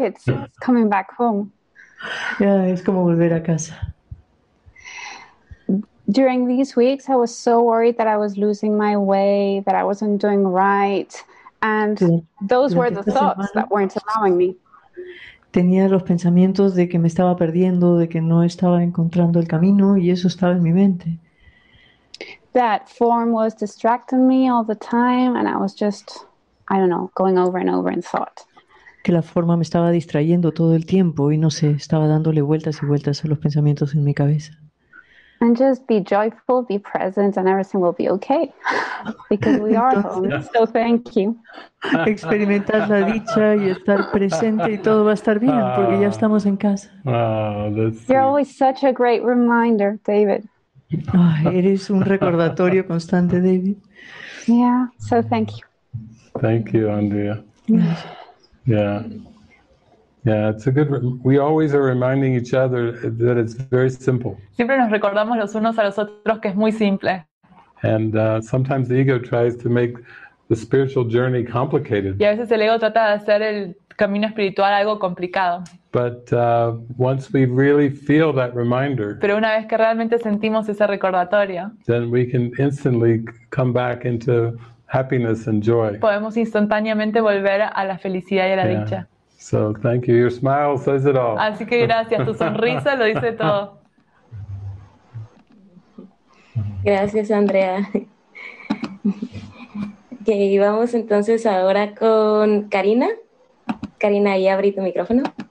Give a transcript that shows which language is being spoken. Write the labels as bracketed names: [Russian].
[English] It's coming back home. [Spanish] Yeah, es como volver a casa. [English] During these weeks, I was so worried that I was losing my way, that I wasn't doing right. And those were the thoughts that weren't allowing me. [Spanish] Tenía los pensamientos de que me estaba perdiendo, de que no estaba encontrando el camino, y eso estaba en mi mente. [English] That form was distracting me all the time, and I was just, I don't know, going over and over in thought. [Spanish] Que la forma me estaba distrayendo todo el tiempo, y no sé, estaba dándole vueltas y vueltas a los pensamientos en mi cabeza. [English] And just be joyful, be present, and everything will be okay. Because we are home, so thank you. [Spanish] Experimentar la dicha y estar presente y todo va a estar bien, porque ya estamos en casa. [English] You're always such a great reminder, David. [Spanish] Eres un recordatorio constante, David. [English] Yeah, so thank you. Thank you, Andrea. Yeah. Yeah, it's a good. We always are reminding each other that it's very simple. [Spanish] Siempre nos recordamos los unos a los otros que es muy simple. [English] And sometimes the ego tries to make the spiritual journey complicated. [Spanish] Y a veces el ego trata de hacer el camino espiritual algo complicado. [English] But once we really feel that reminder, [Spanish] pero una vez que realmente sentimos ese recordatorio, [English] then we can instantly come back into happiness and joy. [Spanish] Podemos instantáneamente volver a la felicidad y a la dicha. [English] So thank you. Your smile says it all. [Spanish] Así que gracias. Tu sonrisa lo dice todo. Gracias, Andrea. Okay, vamos entonces ahora con Karina. Karina, ahí abrí tu micrófono.